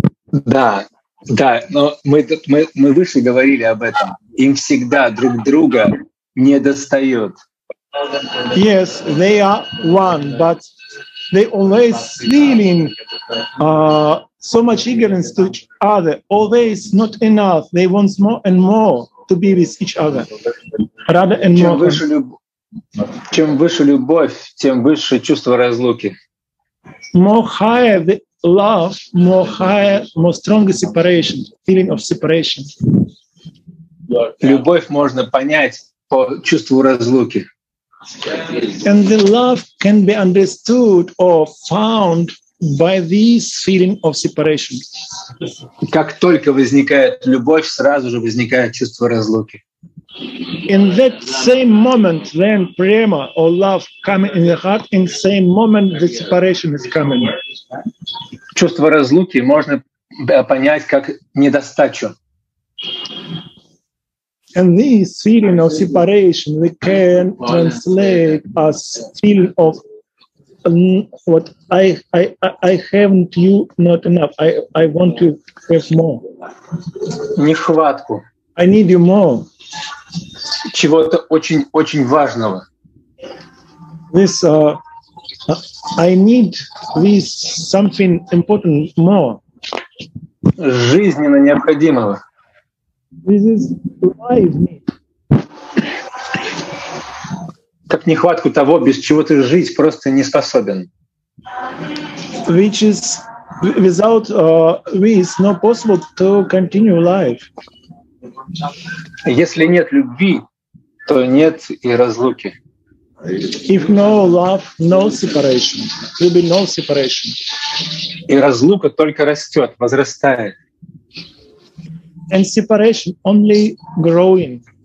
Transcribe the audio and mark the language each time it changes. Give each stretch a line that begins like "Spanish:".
Russian: Да, да, но мы выше говорили об этом. Им всегда друг друга не достает.
English: Yes, they are one, but they always feeling so much eagerness to each other. Always not enough. They want more and more to be with each other. Rather and more.
Russian: Чем выше любовь, тем выше чувство разлуки.
English: More higher the love, more higher, more stronger separation, feeling of separation.
Russian: Любовь можно понять по чувству разлуки.
English: And the love can be understood or found by this feeling of separation.
Russian: Как только возникает любовь, сразу же возникает чувство разлуки.
English: In that same moment, then prema or love coming in the heart. In same moment, the separation is coming.
Russian: Чувство разлуки можно понять как недостачу.
English: And this feeling of separation we can translate as feeling of what I haven't you not enough. I want you have more.
Russian: Нехватку.
English: I need you more.
Russian: Чего-то очень очень важного.
English: This I need this something important more.
Russian: Жизненно необходимого.
English: This is life need.
Russian: Как нехватку того, без чего ты жить просто не способен.
English: Which is without this not possible to continue life.
Russian: Если нет любви, то нет и разлуки.
English: If no love, no separation. There'll be no separation.
Russian: И разлука только растет, возрастает.
English: And separation only growing.